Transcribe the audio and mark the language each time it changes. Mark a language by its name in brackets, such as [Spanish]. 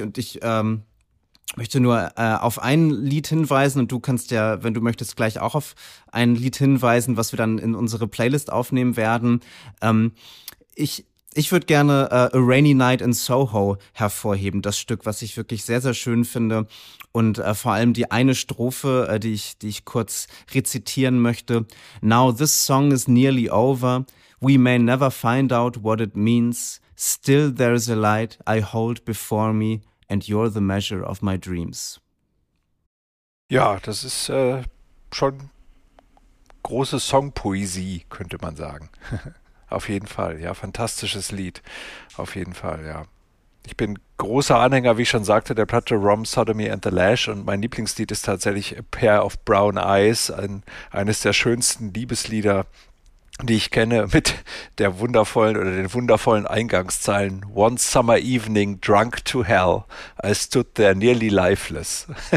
[German] Und ich möchte nur auf ein Lied hinweisen und du kannst ja, wenn du möchtest, gleich auch auf ein Lied hinweisen, was wir dann in unsere Playlist aufnehmen werden. Ich würde gerne A Rainy Night in Soho hervorheben, das Stück, was ich wirklich sehr, sehr schön finde. Und vor allem die eine Strophe, die ich kurz rezitieren möchte. [English] Now this song is nearly over. We may never find out what it means. Still there is a light I hold before me, and you're the measure of my dreams. [German] Ja, das ist schon große Songpoesie, könnte man sagen. Auf jeden Fall, ja, fantastisches Lied. Auf jeden Fall, ja. Ich bin großer Anhänger, wie ich schon sagte, der Platte Rum, Sodomy and the Lash. Und mein Lieblingslied ist tatsächlich A Pair of Brown Eyes, eines der schönsten Liebeslieder, die ich kenne, mit der wundervollen oder den wundervollen Eingangszeilen: [English] One summer evening, drunk to hell, I stood there nearly lifeless.